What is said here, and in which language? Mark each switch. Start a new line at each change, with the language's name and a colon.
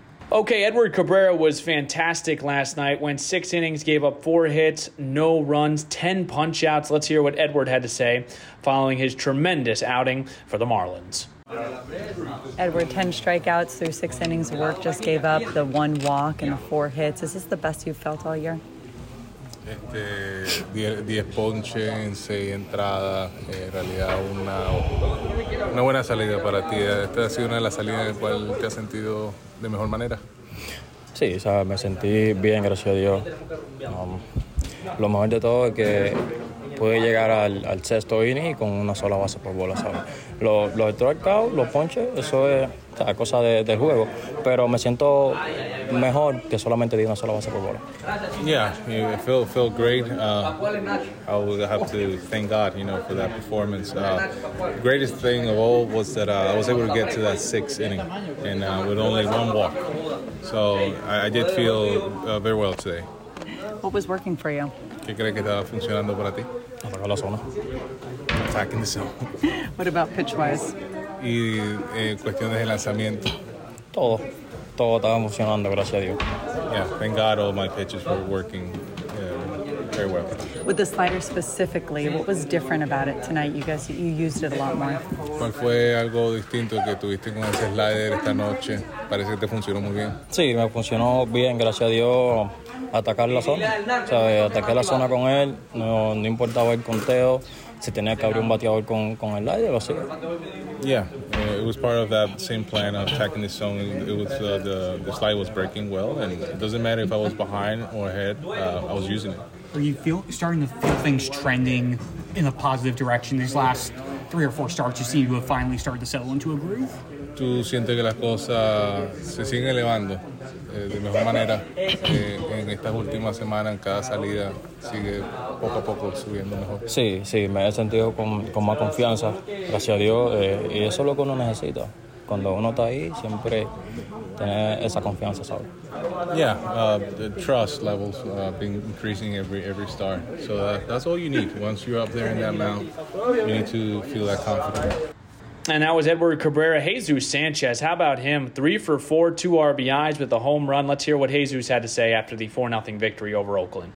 English: Okay, Edward Cabrera was fantastic last night. Went six innings, gave up four hits, no runs, 10 punch outs. Let's hear what Edward had to say following his tremendous outing for the Marlins. Edward, 10 strikeouts through six innings of work, just gave up the one walk and the four hits. Is this the best you've felt all year?
Spanish: 10 ponches en 6 entradas, en realidad una buena salida para ti. Esta ha sido una de las salidas en las cuales te has sentido de mejor manera. Sí, me sentí bien, gracias a Dios. Lo mejor de todo es que pude llegar al sexto inning con una sola base por bola, ¿sabes? Los strikeouts, los ponches, eso es, o sea, cosa del juego. Pero me siento mejor que solamente di una sola base por bola.
English: Yeah, you feel great. I would have to thank God, you know, for that performance. Greatest thing of all was that I was able to get to that sixth inning and with only one walk. So I did feel very well today. What was working for you?
Spanish: ¿Qué crees que estaba funcionando para ti? Atacar la zona.
English: Attacking the zone. What about pitch-wise?
Spanish: Y cuestiones de lanzamiento. Todo. Todo estaba funcionando, gracias a Dios.
English: Yeah, thank God all my pitches were working very well. With the slider specifically, what was different about it tonight? You guys, you used it a lot more.
Spanish: ¿Cuál fue algo distinto que tuviste con ese slider esta noche? Parece que te funcionó muy bien. Sí, me funcionó bien, gracias a Dios. Atacar la zona, o sea, ataqué la zona con él, no importaba el conteo, si tenía que abrir un bateador con el aire, lo hacía.
English: Yeah, it was part of that same plan of attacking the zone. It was the slide was breaking well, and it doesn't matter if I was behind or ahead, I was using it. Are you starting to feel things trending in a positive direction? These last three or four starts, you seem to have finally started to settle into a groove.
Spanish: ¿Tú sientes que las cosas se siguen elevando? De mejor manera, en estas últimas semanas, en cada salida, sigue poco a poco subiendo mejor. Sí, sí, me he sentido con más confianza, gracias a Dios, y eso es lo que uno necesita. Cuando uno está ahí, siempre tener esa confianza, ¿sabes?
English: Yeah, the trust levels have been increasing every start. So that's all you need. Once you're up there in that mound, you need to feel that confidence. And that was Edward Cabrera. Jesus Sanchez, how about him? 3-for-4, 2 RBIs with a home run. Let's hear what Jesus had to say after the 4-0 victory over Oakland.